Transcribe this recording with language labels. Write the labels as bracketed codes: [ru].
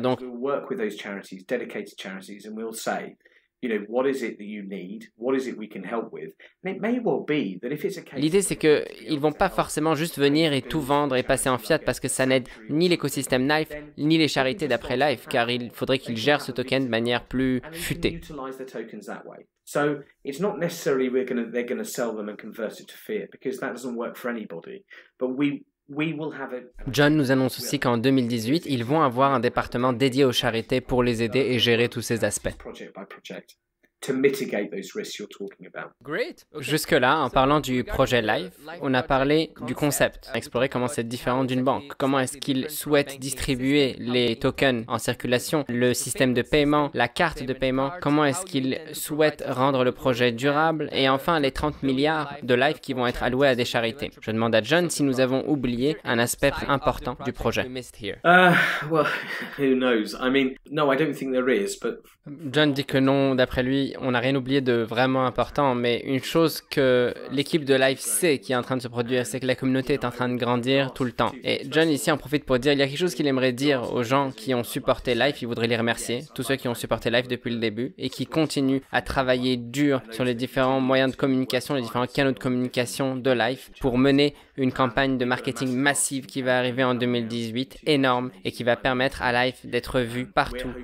[fr] Donc, l'idée, c'est qu'ils ne vont pas forcément juste venir et tout vendre et passer en fiat parce que ça n'aide ni l'écosystème Life, ni les charités d'après Life, car il faudrait qu'ils gèrent ce token de manière plus futée. [en] So it's not necessarily they're going to sell them and convert it to fiat because that doesn't work for anybody. But we will have it. [fr] John nous annonce aussi qu'en 2018, ils vont avoir un département dédié aux charités pour les aider et gérer tous ces aspects. [en] Project by project. To mitigate those risks you're talking about. Great. Okay. [fr] Jusque-là, en parlant du projet Life, on a parlé du concept, exploré comment c'est différent d'une banque, comment est-ce qu'ils souhaitent distribuer les tokens en circulation, le système de paiement, la carte de paiement, comment est-ce qu'ils souhaitent rendre le projet durable, et enfin les 30 milliards de Life qui vont être alloués à des charités. Je demande à John si nous avons oublié un aspect important du projet. [en] Who knows? I mean, no, I don't think there is, but... [fr] John dit que non, d'après lui, on n'a rien oublié de vraiment important, mais une chose que l'équipe de Life sait qui est en train de se produire, c'est que la communauté est en train de grandir tout le temps. Et John ici en profite pour dire, il y a quelque chose qu'il aimerait dire aux gens qui ont supporté Life, il voudrait les remercier, tous ceux qui ont supporté Life depuis le début et qui continuent à travailler dur sur les différents moyens de communication, les différents canaux de communication de Life pour mener une campagne de marketing massive qui va arriver en 2018, énorme, et qui va permettre à Life d'être vu partout.